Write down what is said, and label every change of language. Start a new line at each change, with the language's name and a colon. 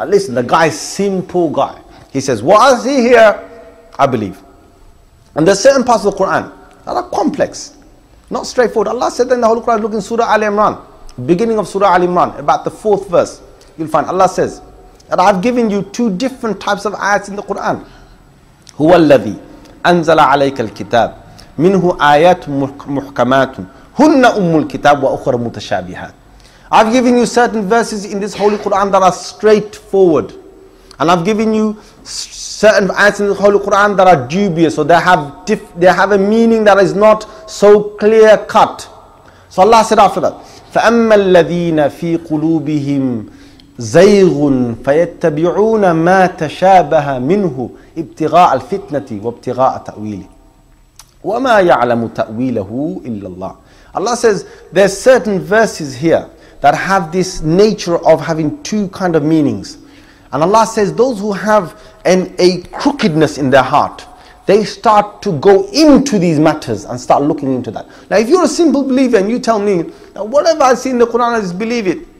English: Listen, the guy's simple guy. He says, what I see here, I believe. And there's certain parts of the Quran that are complex, not straightforward. Allah said that in the Holy Quran, look in Surah Ali Imran. Beginning of Surah Al Imran, about the fourth verse, you'll find Allah says that I've given you two different types of ayats in the Quran.
Arabic: هو الذي أنزل عليك الكتاب منه آيات محكمات هن أم الكتاب وأخرى متشابهات.
English: I've given you certain verses in this Holy Quran that are straightforward, and I've given you certain ayats in the Holy Quran that are dubious, or they have a meaning that is not so clear cut. So Allah said after that,
Arabic: فَأَمَّا الَّذِينَ فِي قُلُوبِهِمْ زَيْغٌ فَيَتَّبِعُونَ مَا تَشَابَهَ مِنْهُ ابْتِغَاءَ الْفِتْنَةِ وَابْتِغَاءَ تَأْوِيلِهِ وَمَا يَعْلَمُ تَأْوِيلَهُ إِلَّا اللَّهِ.
English: Allah says, there's certain verses here that have this nature of having two kind of meanings. And Allah says, those who have a crookedness in their heart, they start to go into these matters and start looking into that. Now, if you're a simple believer and you tell me, now whatever I see in the Quran, I just believe it.